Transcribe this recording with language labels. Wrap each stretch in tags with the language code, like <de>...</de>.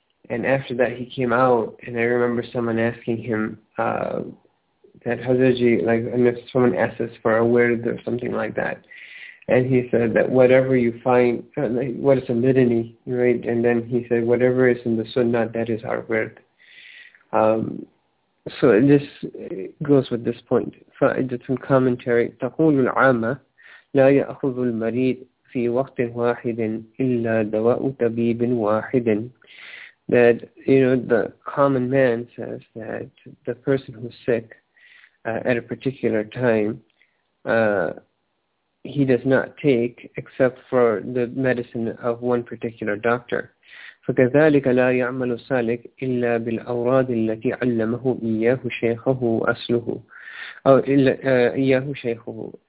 <en>And after that, he came out, and I remember someone asking him that Hazraji, like, and if someone asked us for a word or something like that. And he said that whatever you find, what is a litany, right? And then he said, whatever is in the sunnah, that is our word. So this goes with this point. So I did some commentary.</en> <ar>تقول العامة لا يأخذ المريض في وقت واحد إلا دواء طبيب واحد.</ar> <en>That, you know, the common man says that the person who's sick at a particular time, he does not take except for the medicine of one particular doctor.</en> <ar>فَكَذَلِكَ لَا يَعْمَلُ سَالِكْ إِلَّا بِالْأَوْرَادِ الَّتِي عَلَّمَهُ إِيَّهُ شَيْخَهُ أَسْلُهُ أو إِيَّهُ شَيْخُهُ.</ar>